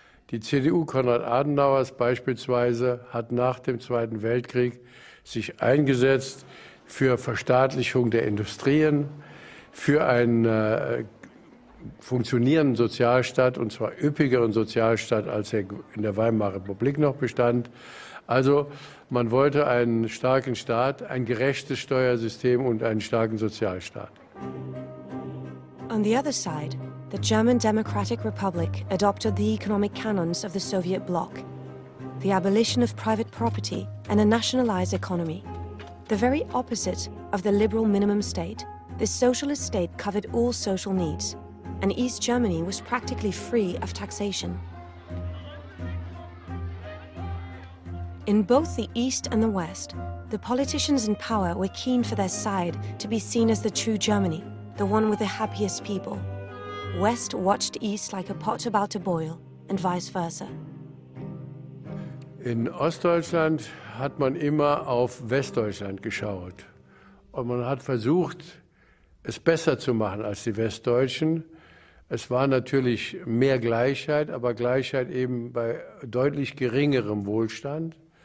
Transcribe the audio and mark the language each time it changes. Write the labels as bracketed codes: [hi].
[de] Die CDU Konrad Adenauers beispielsweise hat nach dem Zweiten Weltkrieg sich eingesetzt für Verstaatlichung der Industrien, für einen funktionierenden Sozialstaat, und zwar üppigeren Sozialstaat, als er in der Weimarer Republik noch bestand. Also man wollte einen starken Staat, ein gerechtes Steuersystem und einen starken Sozialstaat. [en] On the other side, the German Democratic Republic adopted the economic canons of the Soviet bloc. The abolition of private property and a nationalized economy. The very opposite of the liberal minimum state, this socialist state covered all social needs, and East Germany was practically free of taxation. In both the East and the West, the politicians in power were keen for their side to be seen as the true Germany, the one with the happiest people. West watched East like a pot about to boil, and vice versa. [de] In Ostdeutschland hat man immer auf Westdeutschland geschaut, und man hat versucht, es besser zu machen als die Westdeutschen. Es war natürlich mehr Gleichheit, aber Gleichheit eben bei deutlich geringerem Wohlstand.